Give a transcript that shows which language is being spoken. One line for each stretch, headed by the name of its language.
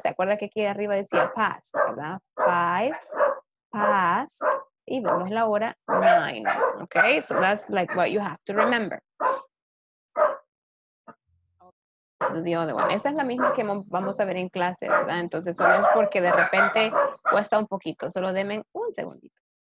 Spanish: ¿Se acuerda que aquí arriba decía past, verdad? 5 past. Y vemos la hora 9.
English: Okay, so that's like what you have to remember. So the other one.
Spanish: Esa es la misma que vamos a ver en clase, ¿verdad? Entonces, solo es porque de repente cuesta un poquito. Solo denme un segundito.